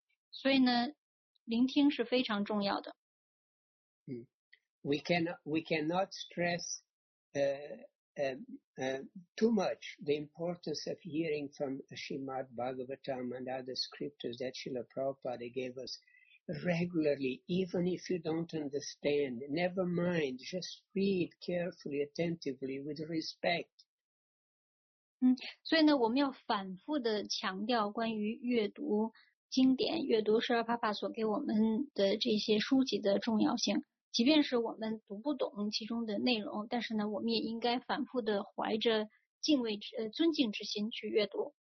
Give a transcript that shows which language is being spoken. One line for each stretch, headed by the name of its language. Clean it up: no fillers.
Chinese: 所以呢，聆听是非常重要的。
English: We cannot stress too much the importance of hearing from Srimad Bhagavatam and other scriptures that Srila Prabhupada gave us regularly, even if you don't understand. Never mind, just read carefully, attentively, with respect.
Chinese: 所以呢，我们要反复的强调关于阅读经典、阅读舍尔帕帕所给我们的这些书籍的重要性。即便是我们读不懂其中的内容，但是呢，我们也应该反复的怀着敬畏之、尊敬之心去阅读。